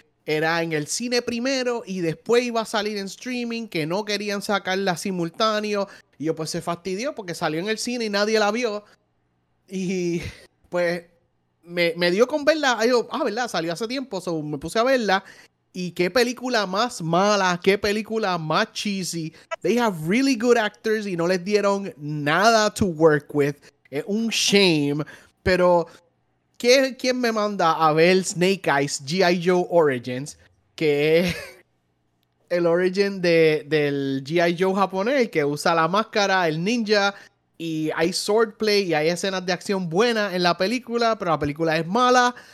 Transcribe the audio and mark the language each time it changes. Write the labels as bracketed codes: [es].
[es] era en el cine primero y después iba a salir en streaming, que no querían sacarla simultáneo. Y yo, pues, se fastidió porque salió en el cine y nadie la vio. Y, pues, me dio con verla. Yo, ¿verdad? Salió hace tiempo, so me puse a verla. Y qué película más mala, qué película más cheesy. [en] They have really good actors [es] y no les dieron nada [en] to work with. [es] Es un shame, pero... ¿Quién me manda a ver Snake Eyes G.I. Joe Origins? Que es el origin del G.I. Joe japonés, que usa la máscara, el ninja, y hay swordplay y hay escenas de acción buenas en la película, pero la película es mala.